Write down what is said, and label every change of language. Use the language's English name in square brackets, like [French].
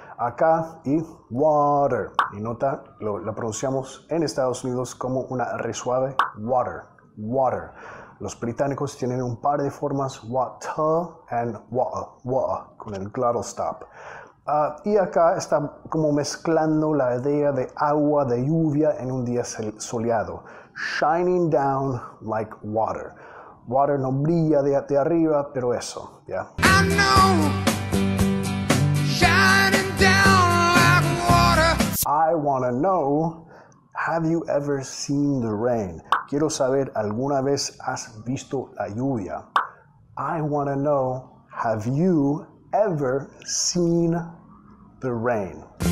[Spanish] Acá, y water. Y nota, lo pronunciamos en Estados Unidos como una R suave, water, water. Los británicos tienen un par de formas, water and water, water, con el glottal stop. Y acá está como mezclando la idea de agua, de lluvia en un día soleado. [English] Shining down like water. [Spanish] Water no brilla de arriba, pero eso, ¿ya? [English] Yeah. I know, shining down like water. I wanna know, have you ever seen the rain? [Spanish] Quiero saber, ¿alguna vez has visto la lluvia? [English] I wanna know, have you ever seen the rain?